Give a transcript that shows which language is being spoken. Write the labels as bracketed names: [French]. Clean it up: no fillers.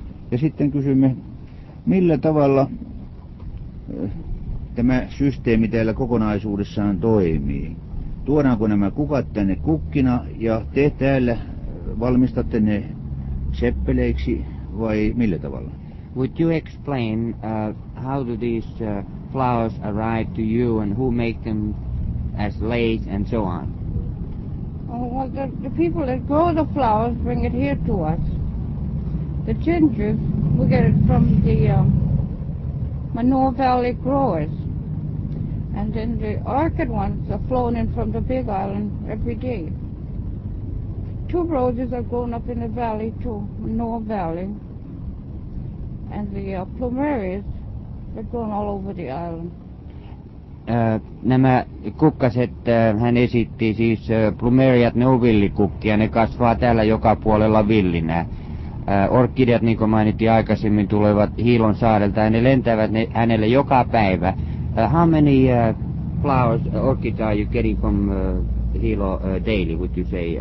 [Finnish] Ja sitten kysymme, millä tavalla tämä systeemi täällä kokonaisuudessaan toimii. Tuodaanko nämä kukat tänne kukkina ja te täällä valmistatte ne seppeleiksi vai millä tavalla? [English] Would you explain how do these flowers arrive to you and who make them as lays and so on? Well, the people that grow the flowers bring it here to us. The ginger, we get it from the Manoa Valley growers. And then the orchid ones are flown in from the Big Island every day. Tuberoses are grown up in the valley to Manoa Valley. And the plumerias are grown all over the island. [Finnish] Nämä kukkaset, hän esitti siis plumeriat, ne on villikukkia, ne kasvaa täällä joka puolella villinä. Orkideat, niin kuin mainittiin aikaisemmin, tulevat Hiilon saarelta ja ne lentävät hänelle joka päivä. [English] How many flowers, orchids are you getting from Hilo daily, would you say?